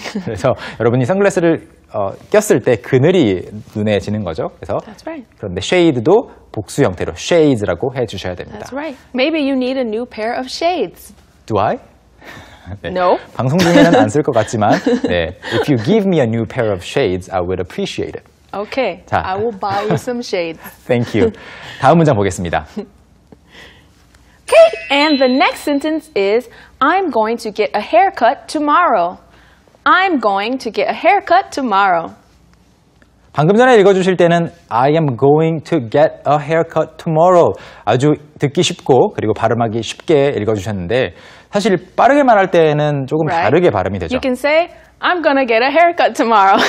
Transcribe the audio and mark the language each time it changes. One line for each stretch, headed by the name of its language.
Korean: 그래서 여러분이 선글라스를 꼈을 때 그늘이 눈에 지는 거죠. 그래서
English: That's right.
Korean: 그런데 shade도 복수 형태로 shades라고 해주셔야 됩니다.
English: That's right. Maybe you need a new pair of shades. Do I?
Korean: 네.
English: No.
Korean: 방송 중에는 안 쓸 것 같지만 네.
English: If you give me a new pair of shades, I would appreciate it. Okay. 자. I will buy you some shades. Thank you.
Korean: 다음 문장 보겠습니다.
English: Okay, and the next sentence is I'm going to get a haircut tomorrow. I'm going to get a haircut tomorrow.
Korean: 방금 전에 읽어주실 때는
English: I am going to get a haircut tomorrow.
Korean: 아주 듣기 쉽고 그리고 발음하기 쉽게 읽어주셨는데 사실 빠르게 말할 때는 조금 right. 다르게 발음이 되죠.
English: You can say I'm gonna get a haircut tomorrow.